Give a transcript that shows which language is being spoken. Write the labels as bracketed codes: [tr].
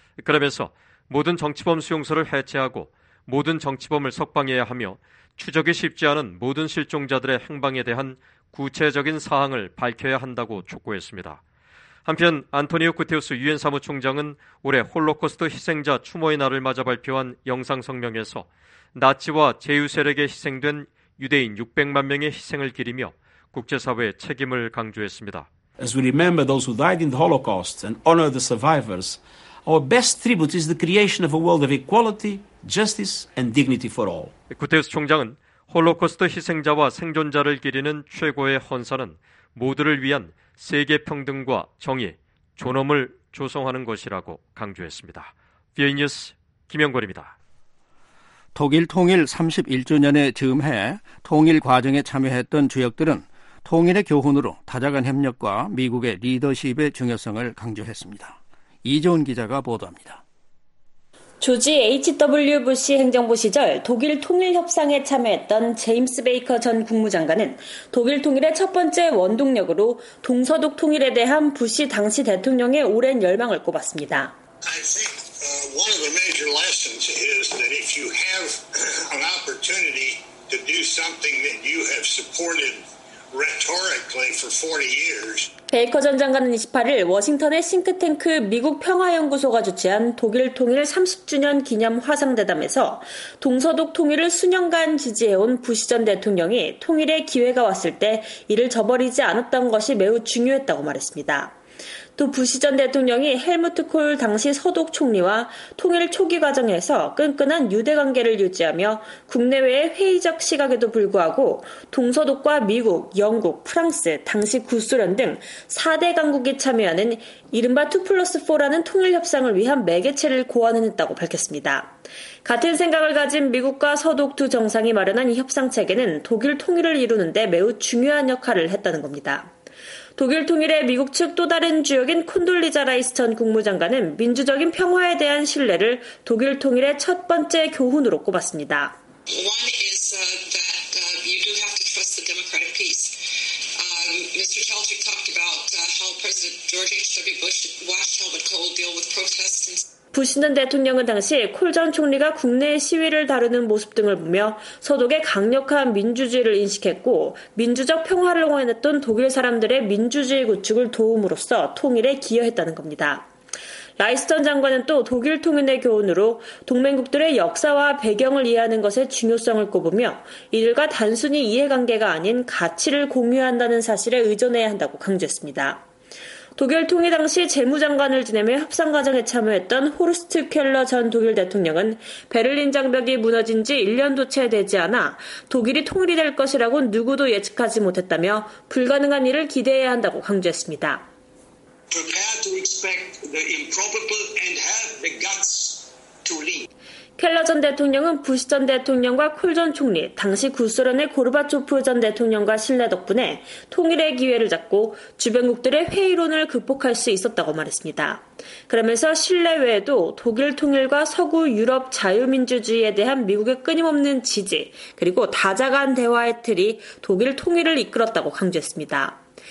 [ko] 그러면서 모든 정치범 수용소를 해체하고 모든 정치범을 석방해야 하며 추적이 쉽지 않은 모든 실종자들의 행방에 대한 구체적인 사항을 밝혀야 한다고 촉구했습니다. 한편 안토니오 구테우스 유엔 사무총장은 올해 홀로코스트 희생자 추모의 날을 맞아 발표한 영상 성명에서 나치와 제휴 세력에 희생된 유대인 600만 명의 희생을 기리며 국제사회의 책임을 강조했습니다. [en] As we remember those who died in the Holocaust and honor the survivors, our best tribute is the creation of a world of equality, justice and dignity for all. [ko] 구테우스 총장은 홀로코스트 희생자와 생존자를 기리는 최고의 헌사는 모두를 위한 세계 평등과 정의, 존엄을 조성하는 것이라고 강조했습니다. VOA 뉴스 김영걸입니다. 독일 통일 31주년에 즈음해 통일 과정에 참여했던 주역들은 통일의 교훈으로 다자간 협력과 미국의 리더십의 중요성을 강조했습니다. 이재훈 기자가 보도합니다. 조지 H.W. 부시 행정부 시절 독일 통일 협상에 참여했던 제임스 베이커 전 국무장관은 독일 통일의 첫 번째 원동력으로 동서독 통일에 대한 부시 당시 대통령의 오랜 열망을 꼽았습니다. [en] One of the major lessons is that if you have an opportunity to do something that you have supported rhetorically for 40 years. [ko] 베이커 전 장관은 28일 워싱턴의 싱크탱크 미국 평화연구소가 주최한 독일 통일 30주년 기념 화상대담에서 동서독 통일을 수년간 지지해온 부시 전 대통령이 통일의 기회가 왔을 때 이를 저버리지 않았던 것이 매우 중요했다고 말했습니다. 또 부시 전 대통령이 헬무트 콜 당시 서독 총리와 통일 초기 과정에서 끈끈한 유대 관계를 유지하며 국내외의 회의적 시각에도 불구하고 동서독과 미국, 영국, 프랑스, 당시 구소련 등 4대 강국이 참여하는 이른바 2+4라는 통일 협상을 위한 매개체를 고안했다고 밝혔습니다. 같은 생각을 가진 미국과 서독 두 정상이 마련한 이 협상 체계는 독일 통일을 이루는 데 매우 중요한 역할을 했다는 겁니다. 독일 통일의 미국 측 또 다른 주역인 콘돌리자 라이스 전 국무장관은 민주적인 평화에 대한 신뢰를 독일 통일의 첫 번째 교훈으로 꼽았습니다. [en] One is that you do have to trust the democratic peace. Mr. Talchik talked about how President George H.W. Bush watched Helmut Kohl deal with protests and [ko] 부시는 대통령은 당시 콜 전 총리가 국내의 시위를 다루는 모습 등을 보며 서독의 강력한 민주주의를 인식했고 민주적 평화를 응원했던 독일 사람들의 민주주의 구축을 도움으로써 통일에 기여했다는 겁니다. 라이스 전 장관은 또 독일 통일의 교훈으로 동맹국들의 역사와 배경을 이해하는 것의 중요성을 꼽으며 이들과 단순히 이해관계가 아닌 가치를 공유한다는 사실에 의존해야 한다고 강조했습니다. 독일 통일 당시 재무장관을 지내며 협상 과정에 참여했던 호르스트 켈러 전 독일 대통령은 베를린 장벽이 무너진 지 1년도 채 되지 않아 독일이 통일이 될 것이라고 누구도 예측하지 못했다며 불가능한 일을 기대해야 한다고 강조했습니다. [en] Prepare to expect the improbable and have the guts to leave. [ko] 켈러 전 대통령은 부시 전 대통령과 콜 전 총리, 당시 구소련의 고르바초프 전 대통령과 신뢰 덕분에 통일의 기회를 잡고 주변국들의 회의론을 극복할 수 있었다고 말했습니다. 그러면서 신뢰 외에도 독일 통일과 서구 유럽 자유민주주의에 대한 미국의 끊임없는 지지, 그리고 다자간 대화의 틀이 독일 통일을 이끌었다고 강조했습니다.